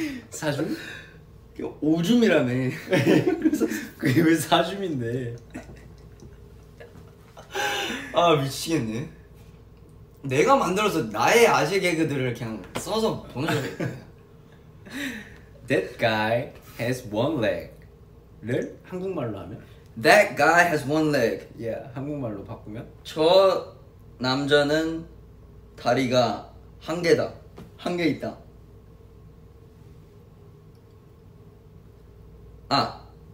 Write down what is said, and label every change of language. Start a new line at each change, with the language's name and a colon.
Korean: 사줌? 오줌이라네. 그래서 그게 왜 사줌인데? 아 미치겠네. 내가 만들어서 나의 아재 개그들을 그냥 써서 보내줘야겠네.
English: That guy has one leg를
Korean: 한국말로 하면?
English: That guy has one leg. Yeah,
Korean: 한국말로 바꾸면? 저 남자는 다리가 한 개다. 한 개 있다. 아.